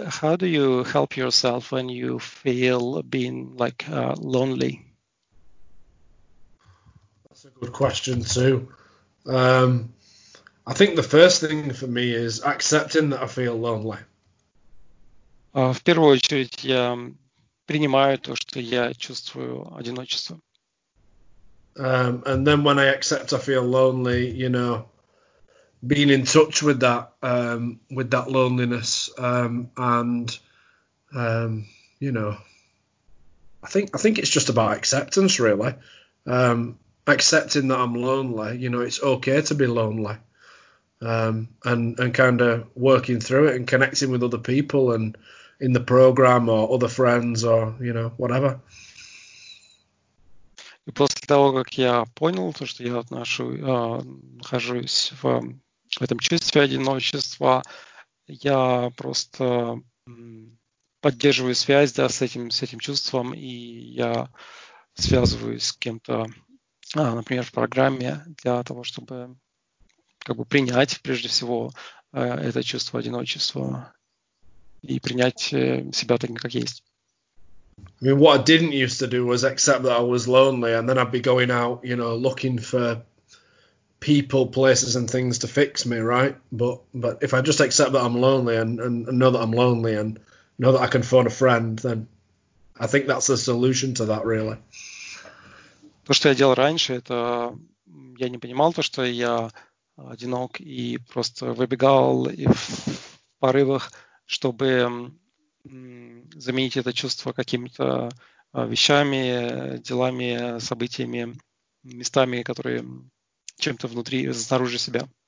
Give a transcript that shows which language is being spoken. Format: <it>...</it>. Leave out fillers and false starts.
<en>How do you help yourself when you feel being like lonely? That's a good question too. I think the first thing for me is accepting that I feel lonely.</en> <ru>В первую очередь я принимаю то, что я чувствую одиночество.</ru> <en>And then when I accept I feel lonely, you know, being in touch with that loneliness, and you know, I think it's just about acceptance, really. Accepting that I'm lonely, you know, it's okay to be lonely, and kind of working through it and connecting with other people and in the program or other friends or you know whatever.</en> <ru>После того как я понял то, что я нахожусь в в этом чувстве одиночества я просто поддерживаю связь, да, с этим чувством, и я связываюсь с кем-то, например, в программе для того, чтобы как бы принять прежде всего это чувство одиночества и принять себя таким, как есть.</ru> <en>I mean, what I didn't used to do was accept that I was lonely, and then I'd be going out, you know, looking for people, places, and things to fix me, right? But if I just accept that I'm lonely and know that I'm lonely and know that I can phone a friend, then I think that's the solution to that, really.</en> <ru>То, что я делал раньше, это я не понимал то, что я одинок и просто выбегал и в порывах, чтобы заменить это чувство какими-то вещами, делами, событиями, местами, которые чем-то внутри, снаружи себя.</ru>